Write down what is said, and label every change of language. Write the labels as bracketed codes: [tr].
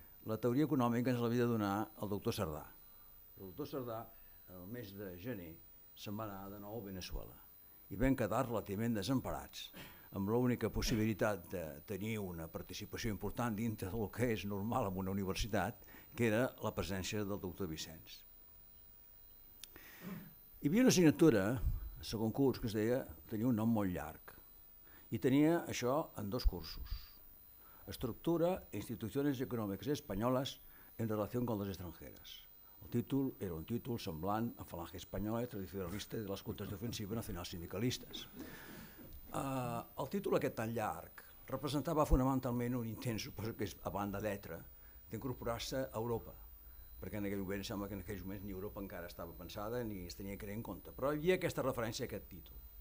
[ca] La teoria econòmica ens l'havia de donar el doctor Cerdà. El doctor Cerdà, el mes de gener, se'n va anar de nou a Venezuela i vam quedar relativament desemparats, amb l'única possibilitat de tenir una participació important dintre del que és normal en una universitat, que era la presència del doctor Vicenç. Hi havia una assignatura, el segon curs, que es deia, tenia un nom molt llarg, i tenia això en dos cursos. [es] Estructura, instituciones económicas españolas en relación con las extranjeras. [ca] El títol era un títol semblant a Falange Espanyola i Tradicionalista de les Juntes d'Ofensiva Nacional Sindicalistes. El títol aquest tan llarg representava fonamentalment un intent, suposo que és a banda d'etra, d'incorporar-se a Europa, perquè en aquell moment sembla que en aquells moments ni Europa encara estava pensada ni es tenia que tenir en compte, però hi havia aquesta referència a aquest títol.